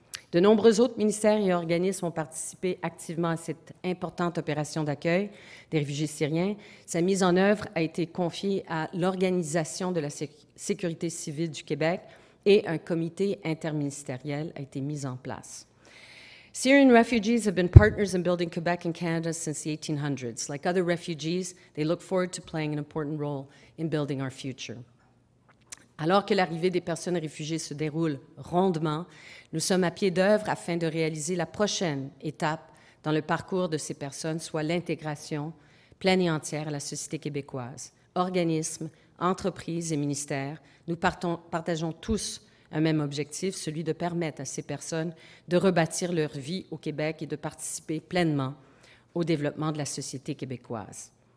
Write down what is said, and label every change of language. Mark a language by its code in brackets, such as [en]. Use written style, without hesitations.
[fr] De nombreux autres ministères et organismes ont participé activement à cette importante opération d'accueil des réfugiés syriens. Sa mise en œuvre a été confiée à l'Organisation de la sécurité civile du Québec et un comité interministériel a été mis en place. [en] Syrian refugees have been partners in building Quebec and Canada since the 1800s. Like other refugees, they look forward to playing an important role in building our future. [fr] Alors que l'arrivée des personnes réfugiées se déroule rondement, nous sommes à pied d'œuvre afin de réaliser la prochaine étape dans le parcours de ces personnes, soit l'intégration pleine et entière à la société québécoise. Organismes, entreprises et ministères, nous partageons tous un même objectif, celui de permettre à ces personnes de rebâtir leur vie au Québec et de participer pleinement au développement de la société québécoise.